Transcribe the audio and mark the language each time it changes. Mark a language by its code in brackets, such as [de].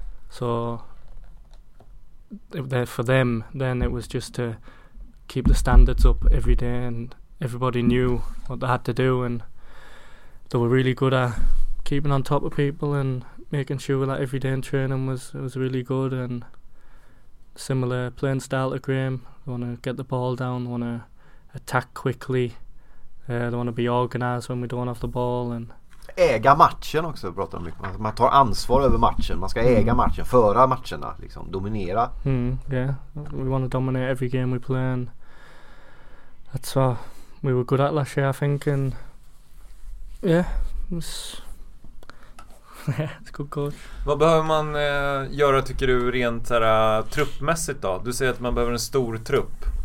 [en] So for them, then it was just to keep the standards up every day, and everybody knew what they had to do, and they were really good at keeping on top of people and making sure that every day in training was really good. And similar playing style to Graham, they want to get the ball down, want to attack quickly, they want to be organised when we don't have the ball. And [sv] äga matchen också, pratar mycket. Man tar ansvar över matchen, man ska äga matchen, föra matcherna, liksom, dominera. [en] Yeah, we want to dominate every game we play, and that's what we were good at last year, I think, and it's good coach. [sv] Vad behöver man göra, tycker du, rent här, truppmässigt då? Du säger att man behöver en stor trupp.